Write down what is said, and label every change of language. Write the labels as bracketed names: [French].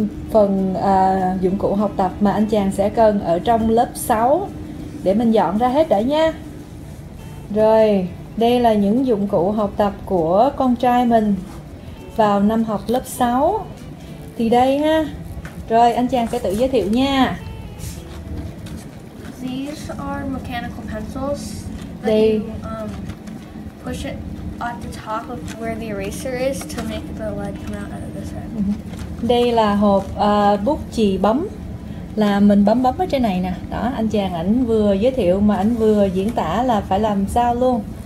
[Vietnamese] Phần dụng cụ học tập mà anh chàng sẽ cần ở trong lớp 6 để mình dọn ra hết đã nha. Rồi, đây là những dụng cụ học tập của con trai mình vào năm học lớp 6. Thì đây ha. Rồi anh chàng sẽ tự giới thiệu nha. [English] These are mechanical [Vietnamese] Đây. [English] pencils that you push it at the top of where the eraser is to make the lead come out of this end. [Vietnamese] Đây là hộp bút chì bấm. Là mình bấm bấm ở trên này nè. Đó, anh chàng ảnh vừa giới thiệu mà ảnh vừa diễn tả là phải làm sao luôn.